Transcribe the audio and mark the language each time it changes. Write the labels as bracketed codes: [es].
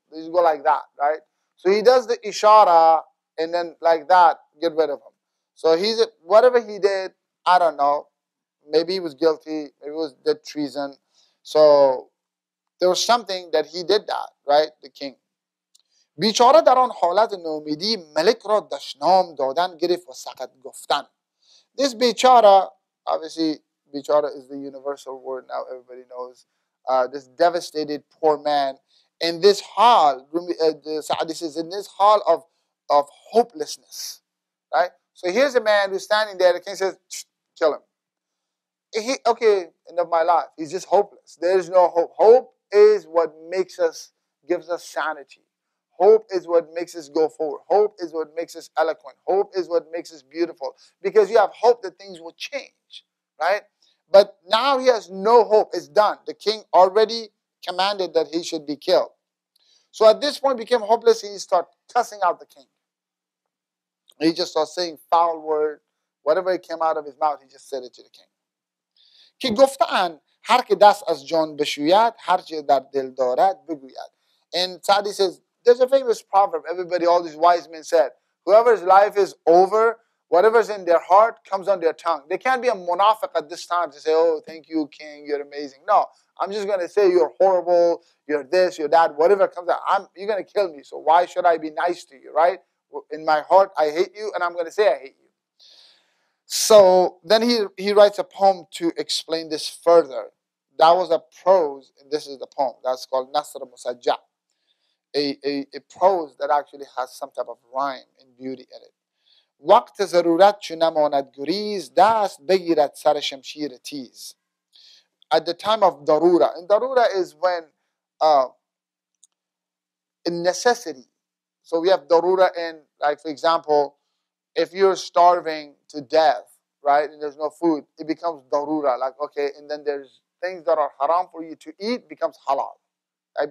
[en] They just go like that, right? So he does the ishara and then like that, get rid of him. So he's whatever he did, I don't know. Maybe he was guilty, maybe it was dead treason. So there was something that he did that, right? The king. [fa] بیچاره در آن حالت نومیدی ملک را دشنام دادن گرفت و سقط گفتن. [en] This بیچاره, obviously, بیچاره is the universal word now, everybody knows. This devastated poor man. In this hall, this is in this hall of hopelessness, right? So here's a man who's standing there, the king says, kill him. End of my life. He's just hopeless. There's no hope. Hope is what makes us, gives us sanity. Hope is what makes us go forward. Hope is what makes us eloquent. Hope is what makes us beautiful. Because you have hope that things will change, right? But now he has no hope. It's done. The king already commanded that he should be killed. So at this point, became hopeless. He started cussing out the king. He just started saying foul word. Whatever came out of his mouth, he just said it to the king. [fa] که گفتن هر که دست از جان بشوید هر چی در دل دارد بگوید. [en] And Sadi says, there's a famous proverb. Everybody, all these wise men said, whoever's life is over, whatever's in their heart comes on their tongue. They can't be a munafiq at this time to say, oh, thank you, king, you're amazing. No, I'm just going to say you're horrible, you're this, you're that, whatever comes out. You're going to kill me, so why should I be nice to you, right? In my heart, I hate you, and I'm going to say I hate you. So then he writes a poem to explain this further. That was a prose, and this is the poem. That's called Nasr Musajja, a prose that actually has some type of rhyme and beauty in it. [fa] وقت ضرورت چو نماند گریز دست بگیرد سر شمشیر تیز. [en] At the time of darura, and darura is when in necessity. So we have darura in, like, for example, if you're starving to death, right, and there's no food, it becomes darura. Like, okay, and then there's things that are haram for you to eat becomes halal, right?